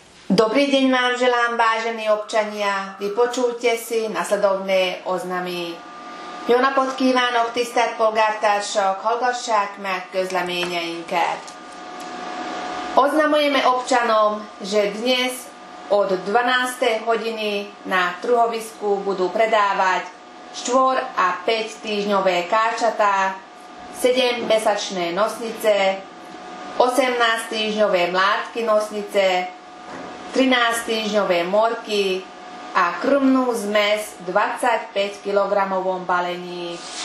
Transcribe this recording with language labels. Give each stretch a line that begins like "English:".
Slovak: Dobrý deň vám želám, vážení občania. Vypočujte si nasledovné oznamy.
Hungarian: Jó napot kívánok, tisztelt polgártársak, hallgassák meg közleményeinket.
Slovak: Oznamujeme občanom, že dnes od 12. hodiny na truhovisku budú predávať 4 a 5 týždňové káčatá, 7 mesačné nosnice, 18 týždňové mládky nosnice, 13 týždňové morky a krmnú zmes v 25 kg balení.